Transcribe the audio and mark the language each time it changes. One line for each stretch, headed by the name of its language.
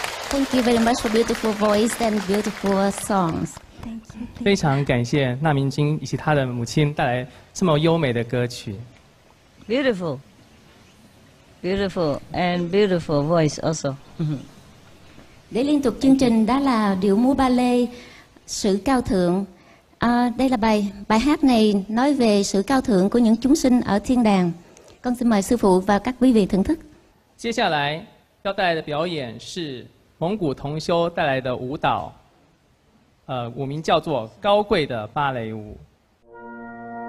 English: Thank you very much for beautiful voice and beautiful songs. Thank you.
Chinese: 非常感谢那明金以及他的母亲带来这么优美的歌曲。
English: Beautiful, beautiful and beautiful voice also.
Vietnamese: Để liên tục chương trình đó là điệu múa ba lê, sự cao thượng. Đây là bài hát này nói về sự cao thượng của những chúng sinh ở thiên đàng. Con xin mời sư phụ và các quý vị thưởng thức.
Chinese: 接下来要带来的表演是。蒙古同修带来的舞蹈，舞名叫做《高贵的芭蕾舞》。